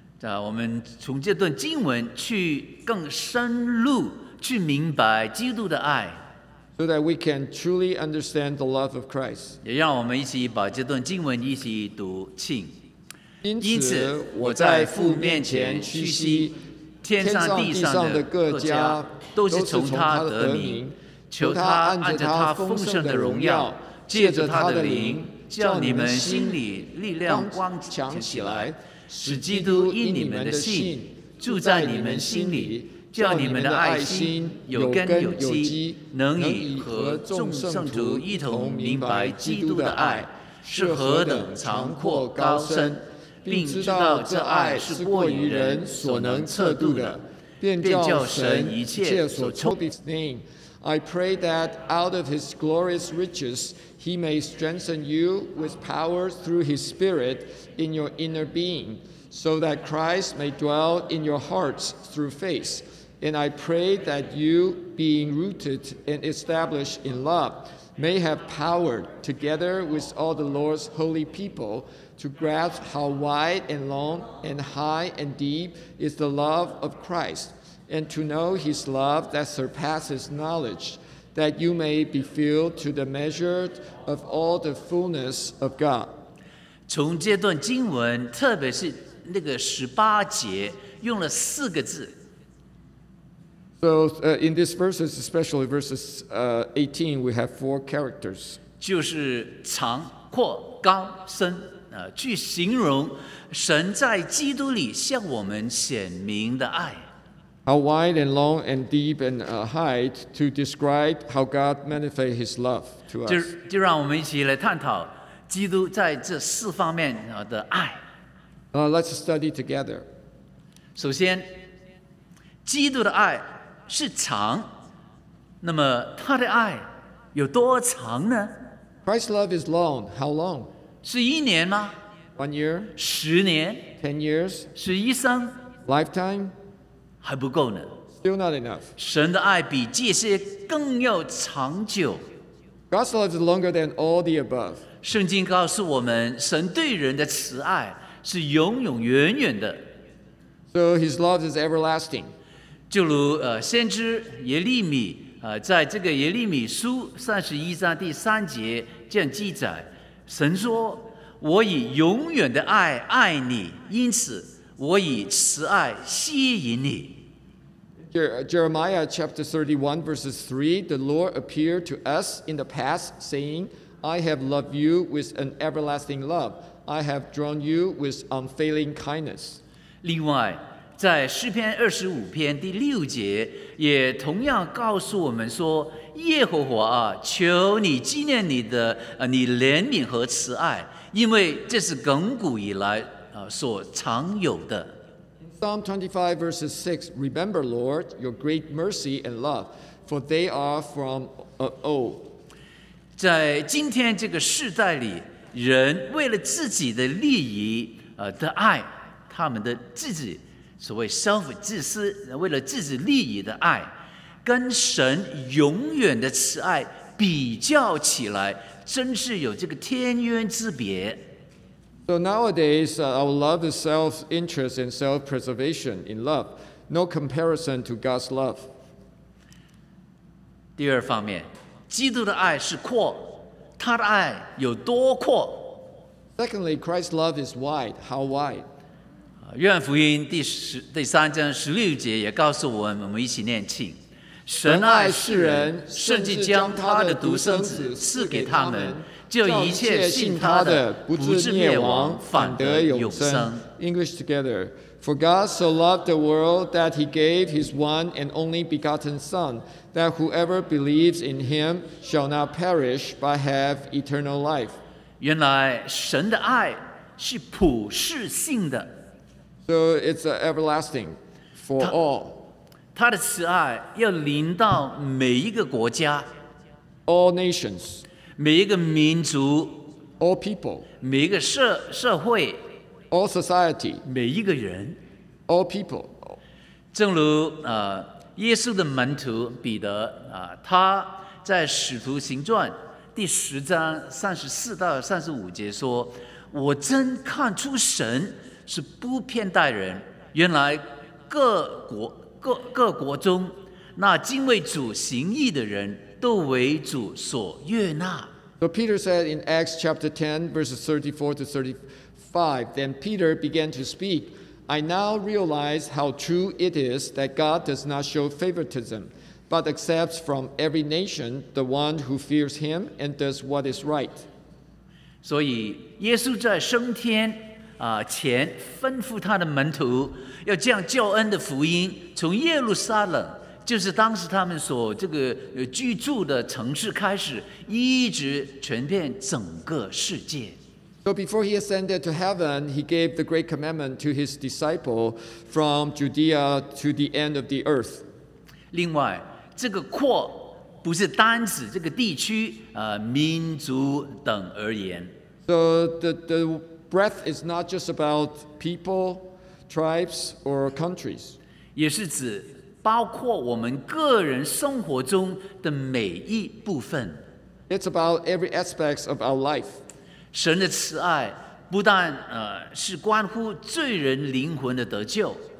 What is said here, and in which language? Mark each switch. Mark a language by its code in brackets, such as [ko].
[zh] 我们从这段经文去更深入去明白基督的爱。 [en] So that we can truly understand the love of Christ. [zh] 也让我们一起把这段经文一起读清。因此我在父面前屈膝，天上地上的各家都是从他得名，求他按着他丰盛的荣耀，借着他的灵叫你们心里力量光强起来，使基督因你们的信住在你们心里，叫你们的爱心有根有基，能以和众圣徒一同明白基督的爱是何等长阔高深，并知道这爱是过于人所能测度的，便叫神一切所抽的。 [en] I pray that out of his glorious riches, he may strengthen you with power through his Spirit in your inner being, so that Christ may dwell in your hearts through faith. And I pray that you, being rooted and established in love, may have power together with all the Lord's holy people to grasp how wide and long and high and deep is the love of Christ. And to know his love that surpasses knowledge, that you may be filled to the measure of all the fullness of God. [zh] 从这段经文，特别是那个十八节，用了四个字。 [en] So, in this verses, especially verses 18, we have four characters. [zh] 就是长阔高深，去形容神在基督里向我们显明的爱。 [en] How wide and long and deep and high to describe how God manifests His love to us. [zh] 就让我们一起来探讨基督在这四方面的爱。 [en] Let's study together. [zh] 首先，基督的爱是长，那么他的爱有多长呢？ [en] Christ's love is long. How long? [zh] 是一年吗？ [en] 1 year. [zh] 十年？ [en] 10 years. [zh] 是一生？ [en] Lifetime. [zh] 还不够呢。 [en] Still not enough. [zh] 神的爱比这些更要长久。 [en] God's love is longer than all the above. [zh] 圣经告诉我们，神对人的慈爱是永永远远的。 [en] So His love is everlasting. [zh] 就如先知耶利米在这个耶利米书三十一章第三节这样记载，神说：“我以永远的爱爱你，因此。” 我以慈爱吸引你。 [en] Jeremiah chapter 31 verses 3, the Lord appeared to us in the past, saying, I have loved you with an everlasting love. I have drawn you with unfailing kindness. [zh] 另外，在诗篇二十五篇第六节也同样告诉我们说，耶和华啊，求你纪念你的你怜悯和慈爱，因为这是亘古以来。所常有的。 [en] Psalm 25 verses 6 Remember Lord your great mercy and love for they are from old. [zh] 在今天这个世代里，人为了自己的利益的爱，他们的自己所谓 self 自私，为了自己利益的爱，跟神永远的慈爱比较起来，真是有这个天渊之别。 [en] So nowadays, our love is self-interest and self-preservation in love. No comparison to God's love. [zh] 第二方面，基督的爱是阔，他的爱有多阔？ [en] Secondly, Christ's love is wide. How wide? [zh] 约翰福音第三章十六节也告诉我们，我们一起念经。神爱世人，甚至将他的独生子赐给他们。就一切信他的不至灭亡反得永生。 [en] English together. For God so loved the world that he gave his one and only begotten son that whoever believes in him shall not perish but have eternal life. [zh] 原来神的爱是普世性的。 [en] So it's everlasting for all. [zh] 他的慈爱要临到每一个国家。 [en] All nations. [zh] 每一个民族 [en] all people, [zh] 每一个 社会 [en] all society, [zh] 每一个人 [en] all people, [zh] 正如耶稣的门徒彼得他在使徒行传第十章三十四到三十五节说，我真看出神是不偏待人，原来各国中那敬畏主行义的人都为主所悦纳。 [en] So Peter said in Acts chapter 10 verses 34 to 35, then Peter began to speak, I now realize how true it is that God does not show favoritism, but accepts from every nation the one who fears him and does what is right. [zh] 所以耶稣在升天前吩咐他的门徒要将救恩的福音从耶路撒冷，就是当时他们所这个居住的城市开始，一直传遍整个世界。 [en] So before he ascended to heaven, he gave the great commandment to his disciple from Judea to the end of the earth. [zh] 另外这个扩不是单指这个地区民族等而言。 [en] So the breadth is not just about people, tribes, or countries. [zh] 也是指包括我们个人生活中的每一部分。 [en] It's about every aspect of our life. [zh] 神的慈爱不但是关乎罪人灵魂的得救。